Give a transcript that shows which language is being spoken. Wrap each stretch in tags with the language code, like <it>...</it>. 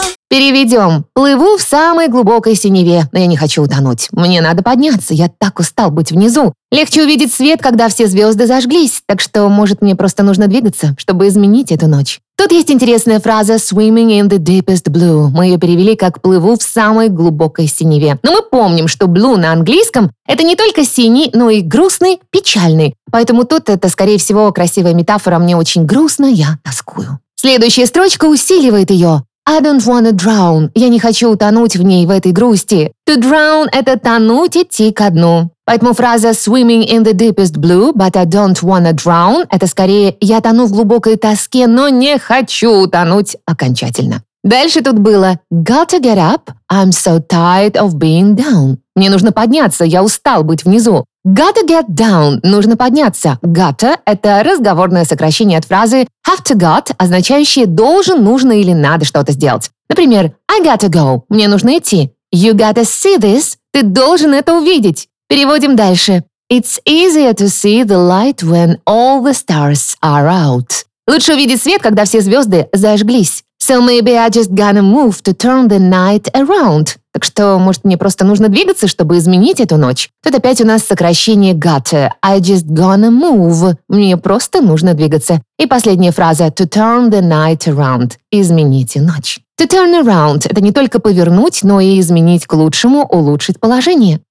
<ru>Переведем. Плыву в самой глубокой синеве, но я не хочу утонуть. Мне надо подняться, я так устал быть внизу. Легче увидеть свет, когда все звезды зажглись, так что, может, мне просто нужно двигаться, чтобы изменить эту ночь. Тут есть интересная фраза</ru> <en>«Swimming in the deepest blue».</en> <ru>Мы ее перевели как «плыву в самой глубокой синеве». Но мы помним, что «blue» на английском – это не только синий, но и грустный, печальный. Поэтому тут это, скорее всего, красивая метафора «мне очень грустно, я тоскую». Следующая строчка усиливает ее.</ru> <en>I don't wanna drown.</en> <ru>Я не хочу утонуть в ней, в этой грусти. To drown – это тонуть, идти ко дну. Поэтому фраза</ru> <en>swimming in the deepest blue, but I don't wanna drown</en> <ru>– это скорее «я тону в глубокой тоске, но не хочу утонуть окончательно». Дальше тут было</ru> <en>«Gotta get up, I'm so tired of being down».</en> <ru>«Мне нужно подняться, я устал быть внизу».</ru> <en>«Gotta get down» –</en> <ru>нужно подняться. «Gotta» – это разговорное сокращение от фразы</ru> <en>«have to got»,</en> <ru>означающее «должен, нужно или надо что-то сделать». Например,</ru> <en>«I gotta go»</en> <ru>– «мне нужно идти».</ru> <en>«You gotta see this»</en> <ru>– «ты должен это увидеть». Переводим дальше.</ru> <en>«It's easier to see the light when all the stars are out».</en> <ru>«Лучше увидеть свет, когда все звезды зажглись».</ru> <en>So maybe I just gonna move to turn the night around.</en> <ru>Так что, может, мне просто нужно двигаться, чтобы изменить эту ночь? Тут опять у нас сокращение gotta.</ru> <en>I just gonna move.</en> <ru>Мне просто нужно двигаться. И последняя фраза.</ru> <en>To turn the night around.</en> <ru>Измените ночь. To turn around – это не только повернуть, но и изменить к лучшему, улучшить положение.</ru>